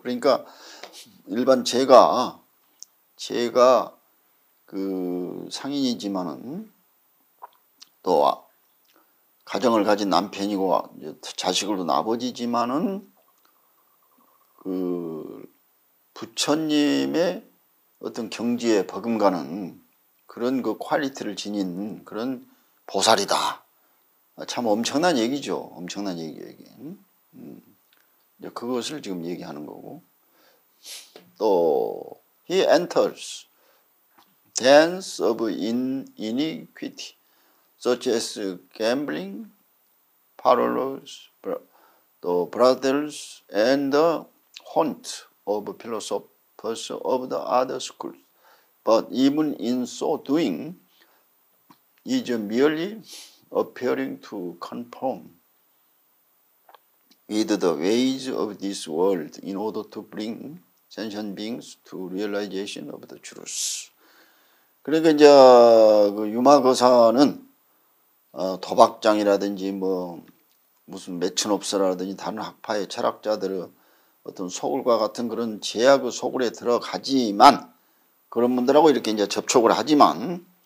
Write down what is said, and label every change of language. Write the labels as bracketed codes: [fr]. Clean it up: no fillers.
[ko] 그러니까 일반 제가 그 상인이지만은 또 가정을 가진 남편이고 자식으로 아버지지만은 그 부처님의 어떤 경지에 버금가는 그런 그 퀄리티를 지닌 그런 보살이다. 참 엄청난 얘기죠. 엄청난 얘기예요, 이게. 이제 그것을 지금 얘기하는 거고. [en] 또, he enters dens of iniquity, such as gambling, parlors, the brothels, and the haunt of philosophy. Pursue of the other schools, but even in so doing, is merely appearing to conform with the ways of this world in order to bring sentient beings to realization of the truth. [ko] 그러니까 이제 그 유마거사는 도박장이라든지 뭐 무슨 매춘업사라든지 다른 학파의 철학자들의 어떤 소굴과 같은 그런 제약의 소굴에 들어가지만 그런 분들하고 이렇게 이제 접촉을 하지만